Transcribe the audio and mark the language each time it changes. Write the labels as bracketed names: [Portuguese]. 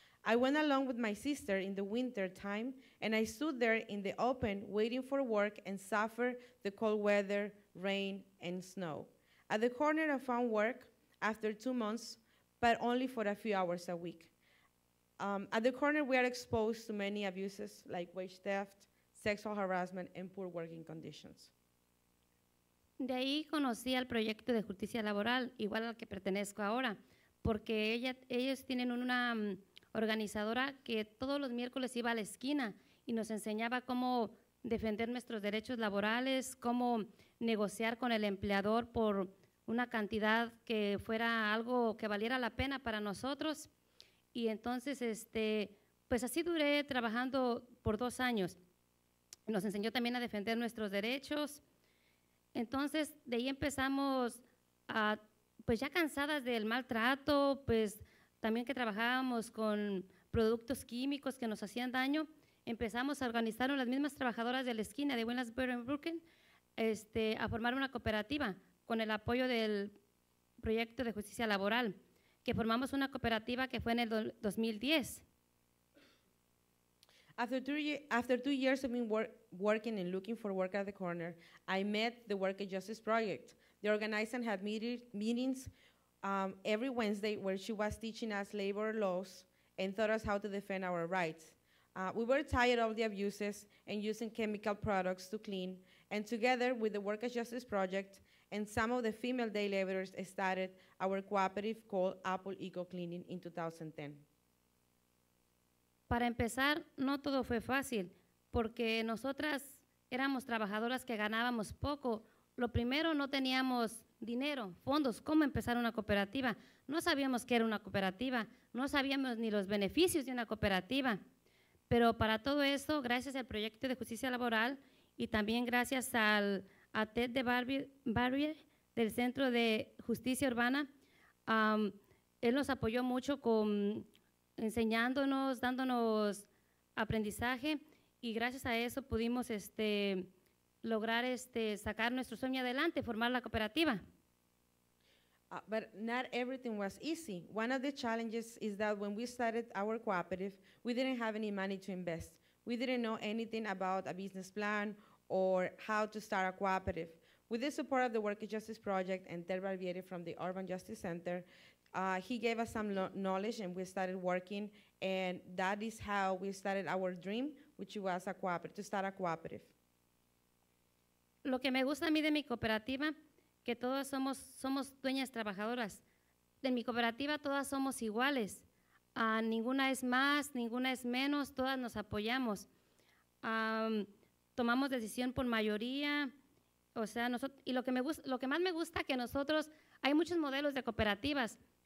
[English] I went along with my sister in the winter time, and I stood there in the open waiting for work and suffered the cold weather, rain, and snow. At the corner, I found work after 2 months, but only for a few hours a week. At the corner, we are exposed to many abuses like wage theft, sexual harassment, and poor working conditions. [Spanish] De ahí conocí al proyecto de justicia laboral, igual al que pertenezco ahora, porque ellos tienen una organizadora que todos los miércoles iba a la esquina y nos enseñaba cómo defender nuestros derechos laborales, cómo negociar con el empleador por una cantidad que fuera algo que valiera la pena para nosotros. Y entonces, pues así duré trabajando por 2 años. Nos enseñó también a defender nuestros derechos. Entonces, de ahí empezamos, pues ya cansadas del maltrato, pues también que trabajábamos con productos químicos que nos hacían daño, empezamos a organizar las mismas trabajadoras de la esquina de Williamsburg and Brooklyn a formar una cooperativa con el apoyo del proyecto de justicia laboral, que formamos una cooperativa que fue en el 2010. [English] After two years of being working and looking for work at the corner, I met the Work and Justice Project. The organizer had meetings every Wednesday where she was teaching us labor laws and taught us how to defend our rights. We were tired of the abuses and using chemical products to clean, and together with the Work and Justice Project and some of the female day laborers started our cooperative called Apple Eco Cleaning in 2010. [Spanish] Para empezar, no todo fue fácil, porque nosotras éramos trabajadoras que ganábamos poco. Lo primero, no teníamos dinero, fondos, cómo empezar una cooperativa. No sabíamos qué era una cooperativa, no sabíamos ni los beneficios de una cooperativa. Pero para todo eso, gracias al proyecto de justicia laboral y también gracias a Ted de Barbier del Centro de Justicia Urbana, él nos apoyó mucho con enseñándonos, dándonos aprendizaje, y gracias a eso pudimos lograr sacar nuestro sueño adelante, formar la cooperativa. [English] But not everything was easy. One of the challenges is that when we started our cooperative, we didn't have any money to invest. We didn't know anything about a business plan or how to start a cooperative. With the support of the Work and Justice Project and Ted Barbieri from the Urban Justice Center, he gave us some knowledge and we started working, and that is how we started our dream, which was to start a cooperative. [Spanish] Lo que me gusta a mí de mi cooperativa, que todas somos dueñas trabajadoras. De mi cooperativa todas somos iguales. Ninguna es más, ninguna es menos, todas nos apoyamos. Tomamos decisión por mayoría, o sea, y lo que más me gusta que nosotros, hay muchos modelos de cooperativas.